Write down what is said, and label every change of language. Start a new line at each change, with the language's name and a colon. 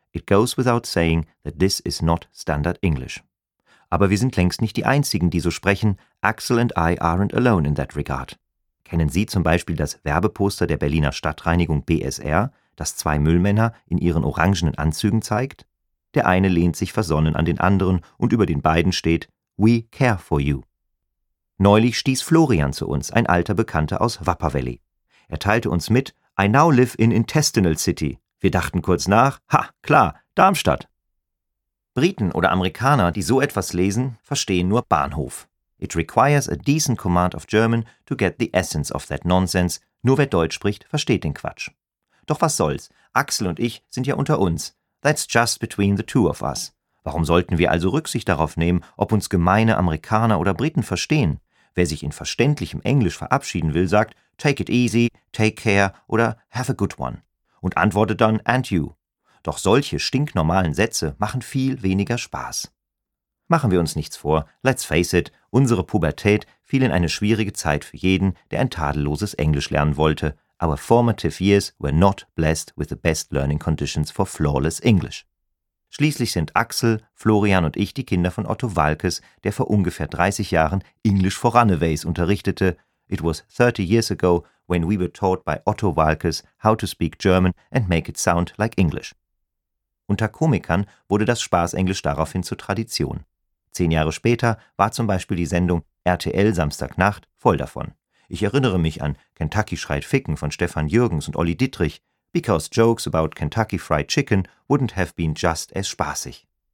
English: It goes without saying that this is not standard English.
German: Aber wir sind längst nicht die Einzigen, die so sprechen.
English: Axel and I aren't alone in that regard.
German: Kennen Sie zum Beispiel das Werbeposter der Berliner Stadtreinigung BSR, das zwei Müllmänner in ihren orangenen Anzügen zeigt? Der eine lehnt sich versonnen an den anderen und über den beiden steht,
English: We care for you.
German: Neulich stieß Florian zu uns, ein alter Bekannter aus Wupper Valley. Er teilte uns mit,
English: I now live in Intestinal City.
German: Wir dachten kurz nach, ha, klar, Darmstadt. Briten oder Amerikaner, die so etwas lesen, verstehen nur Bahnhof.
English: It requires a decent command of German to get the essence of that nonsense.
German: Nur wer Deutsch spricht, versteht den Quatsch. Doch was soll's, Axel und ich sind ja unter uns.
English: That's just between the two of us.
German: Warum sollten wir also Rücksicht darauf nehmen, ob uns gemeine Amerikaner oder Briten verstehen? Wer sich in verständlichem Englisch verabschieden will, sagt
English: take it easy, take care
German: oder
English: have a good one
German: und antwortet dann
English: and you.
German: Doch solche stinknormalen Sätze machen viel weniger Spaß. Machen wir uns nichts vor,
English: let's face it,
German: unsere Pubertät fiel in eine schwierige Zeit für jeden, der ein tadelloses Englisch lernen wollte.
English: Our formative years were not blessed with the best learning conditions for flawless English.
German: Schließlich sind Axel, Florian und ich die Kinder von Otto Walkes, der vor ungefähr 30 Jahren English for Runaways unterrichtete.
English: It was 30 years ago when we were taught by Otto Walkes how to speak German and make it sound like English.
German: Unter Komikern wurde das Spaßenglisch daraufhin zur Tradition. 10 Jahre später war zum Beispiel die Sendung RTL Samstagnacht voll davon. Ich erinnere mich an Kentucky schreit Ficken von Stefan Jürgens und Olli Dittrich,
English: because jokes about Kentucky Fried Chicken wouldn't have been just as spaßig.